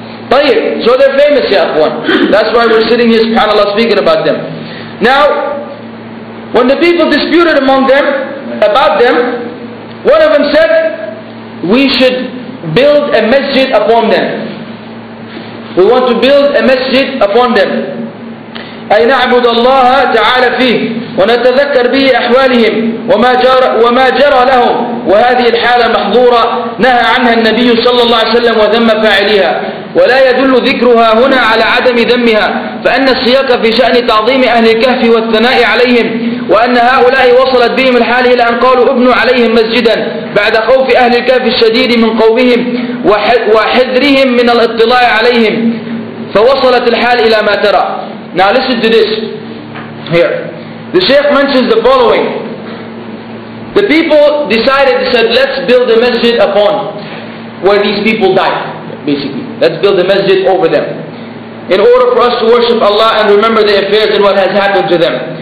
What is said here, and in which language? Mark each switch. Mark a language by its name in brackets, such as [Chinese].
[English] Tayyib, so they're famous, ya akhwan. That's why we're sitting here, subhanAllah, speaking about them. Now, when the people disputed among them, about them, one of them said, we should build a masjid upon them. We want to build a masjid upon them. [Arabic] أي نعبد الله تعالى فيه ونتذكر به أحوالهم وما جرى لهم وهذه الحالة محظورة نهى عنها النبي صلى الله عليه وسلم وذم فاعليها ولا يدل ذكرها هنا على عدم ذمها فأن السياق في شأن تعظيم أهل الكهف والثناء عليهم وأن هؤلاء وصلت بهم الحال إلى أن قالوا ابنوا عليهم مسجدا بعد خوف أهل الكهف الشديد من قومهم وحذرهم من الاطلاع عليهم فوصلت الحال إلى ما ترى. [English] Now listen to this. Here, the Shaykh mentions the following. The people decided, said, let's build a masjid upon where these people died, basically. Let's build a masjid over them in order for us to worship Allah and remember the affairs and what has happened to them.